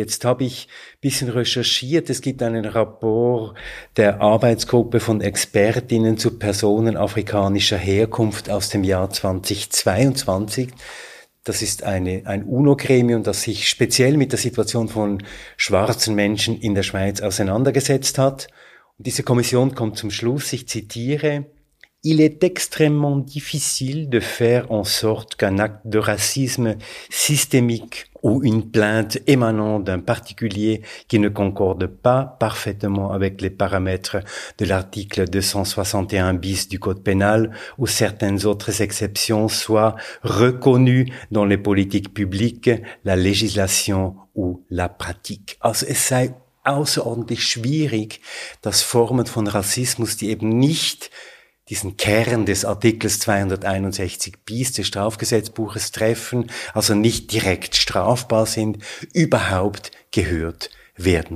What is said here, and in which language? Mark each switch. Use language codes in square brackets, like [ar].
[de] Jetzt habe ich ein bisschen recherchiert. Es gibt einen Rapport der Arbeitsgruppe von Expertinnen zu Personen afrikanischer Herkunft aus dem Jahr 2022. Das ist ein UNO-Gremium, das sich speziell mit der Situation von schwarzen Menschen in der Schweiz auseinandergesetzt hat. Und diese Kommission kommt zum Schluss, ich zitiere: [fr] Il est extrêmement difficile de faire en sorte qu'un acte de racisme systémique ou une plainte émanant d'un particulier qui ne concorde pas parfaitement avec les paramètres de l'article 261 bis du Code pénal ou certaines autres exceptions soit reconnue dans les politiques publiques, la législation ou la pratique. [de] Also es sei außerordentlich schwierig, dass Formen von Rassismus, die eben nicht diesen Kern des Artikels 261 bis des Strafgesetzbuches treffen, also nicht direkt strafbar sind, überhaupt gehört werden.